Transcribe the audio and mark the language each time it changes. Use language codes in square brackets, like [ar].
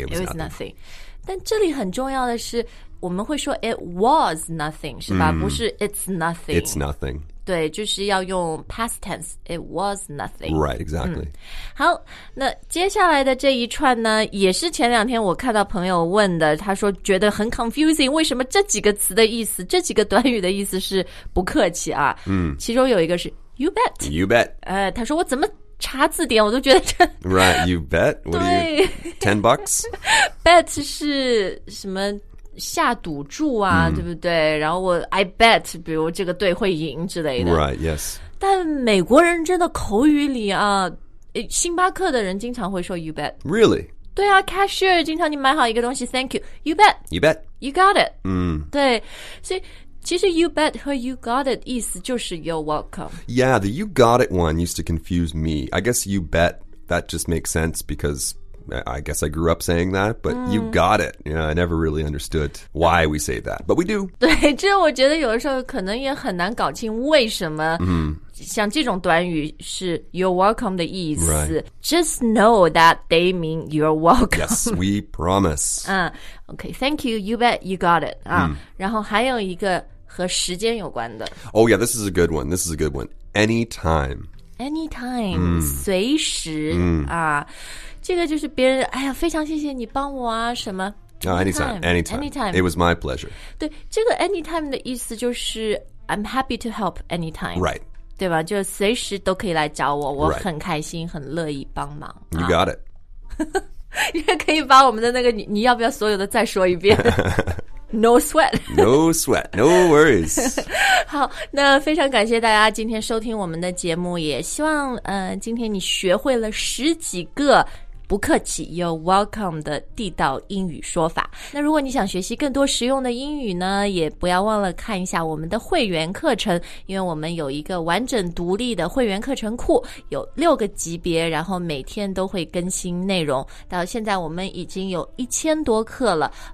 [en] It was nothing. [zh] 但这里很重要的是我们会说 [en] it was nothing, [zh] 是吧、mm. 不是 [en] it's nothing. It's nothing. [zh] 对就是要用 [en] past tense, it was nothing. Right, exactly.、 [zh] 好那接下来的这一串呢也是前两天我看到朋友问的他说觉得很 confusing, 为什么这几个词的意思这几个短语的意思是不客气啊、mm. 其中有一个是 [en] you bet. You bet.、 [zh] 他说我怎么查字典我都觉得这 [en] Right, you bet. What are you, $10? [zh] Bet 是什么下赌注啊、mm. 对不对然后我 [en] I bet [zh] 比如这个队会赢之类的 [en] Right, yes [zh] 但美国人真的口语里啊星巴克的人经常会说 [en] you bet Really? [zh] 对啊 cashier 经常你买好一个东西 [en] thank you You bet You bet You got it、 mm. [zh] 对所以其实 [en] you bet [zh] 和 [en] you got it [zh] 意思就是 [en] you're welcome Yeah, the you got it one used to confuse me I guess you bet that just makes sense becauseI guess I grew up saying that, but、mm. you got it. Yeah, I never really understood why we say that, but we do. [zh] 对，这我觉得有的时候可能也很难搞清为什么、 mm. 像这种短语是 [en] you're welcome [zh] 的意思、 [en] right. Just know that they mean you're welcome. Yes, we promise. Okay, thank you, you bet, you got it.、 [zh] 然后还有一个和时间有关的。 [en] Oh yeah, this is a good one. Anytime. Anytime,、mm. [zh] 随时、 [en] mm. [zh] 啊，这个就是别人哎呀，非常谢谢你帮我啊，什么、 [en] oh, anytime. It was my pleasure. 对，这个 anytime 的意思就是 I'm happy to help anytime. Right. [zh] 对吧？就随时都可以来找我，我很开心，很乐意帮忙。 [en] Right. You got it. [zh] 你可以把我们的那个你要不要所有的再说一遍？ [en] No sweat. No sweat. No worries. [zh] 好那非常感谢大家今天收听我们的节目也希望、今天你学会了十几个不客气 [en] You're welcome [zh] 的地道英语说法那如果你想学习更多实用的英语呢也不要忘了看一下我们的会员课程因为我们有一个完整独立的会员课程库有六个级别然后每天都会更新内容到现在我们已经有1000多课了